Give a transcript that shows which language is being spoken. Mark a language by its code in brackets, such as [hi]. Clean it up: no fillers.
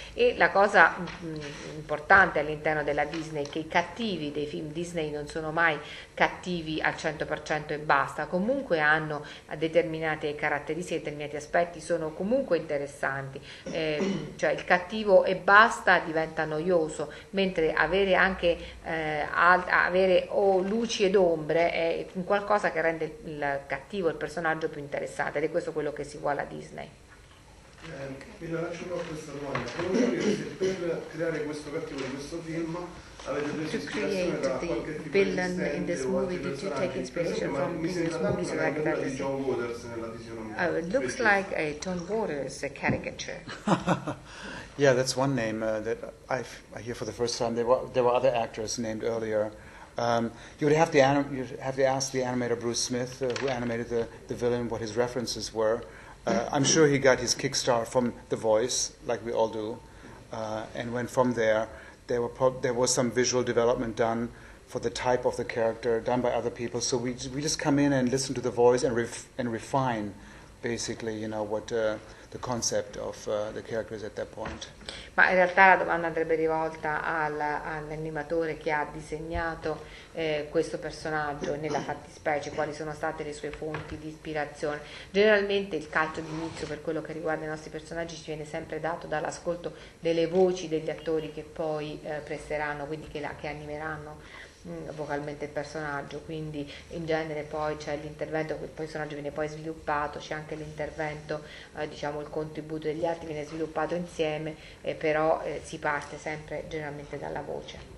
[it] E la cosa importante all'interno della Disney è che i cattivi dei film Disney non sono mai cattivi al 100% e basta, comunque hanno determinate caratteristiche, determinati aspetti, sono comunque interessanti, cioè il cattivo e basta diventa noioso, mentre avere anche avere o luci ed ombre è qualcosa che rende il cattivo, il personaggio, più interessante, ed è questo quello che si vuole a Disney. Mi lascio proprio questa domanda, volevo capire se per creare questo cattivo in questo film [en] to create the villain in this movie, did you take inspiration from previous movies or like that? It looks like a John Waters caricature. Yeah, that's one name that I hear for the first time. There were other actors named earlier. You'd have to ask the animator Bruce Smith, who animated the villain, what his references were. I'm sure he got his kickstart from The Voice, like we all do, and went from there. There was some visual development done for the type of the character, done by other people. So we just come in and listen to the voice and refine basically, you know, what the concept of the characters at that point. [it] Ma in realtà la domanda andrebbe rivolta all'animatore che ha disegnato questo personaggio nella fattispecie, quali sono state le sue fonti di ispirazione. Generalmente il calcio d'inizio per quello che riguarda i nostri personaggi ci viene sempre dato dall'ascolto delle voci degli attori che poi presteranno, quindi che animeranno vocalmente il personaggio, quindi in genere poi c'è l'intervento, il personaggio viene poi sviluppato, c'è anche l'intervento, diciamo il contributo degli altri viene sviluppato insieme, però si parte sempre generalmente dalla voce.